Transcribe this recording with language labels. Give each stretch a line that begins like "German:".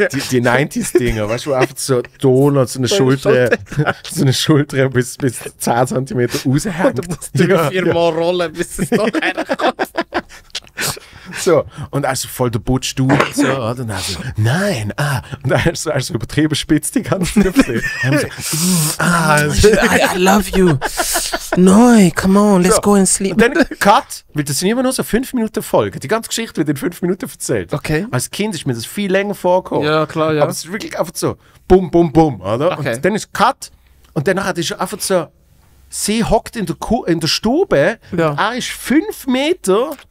German: Die 90s-Dinger, weißt du, wo einfach so Donut, so eine Schulter, so eine Schulter bis 10 cm raushängt. Du musst viermal rollen, bis es da herkommt. So, und also voll der Butsch du so, oder? Und also, nein, ah, und also übertrieben spitzt die ganze Zeit.
English: I love you. Noi, come on, let's go and sleep.
German: Und dann cut, weil das sind immer nur so 5 Minuten Folge. Die ganze Geschichte wird in 5 Minuten erzählt. Okay. Als Kind ist mir das viel länger vorgekommen. Ja, klar, ja. Aber es ist wirklich einfach so, bum, bum, bum, oder? Okay. Und dann ist cut, und danach ist es einfach so, sie hockt in der Stube, er ist 5 Meter...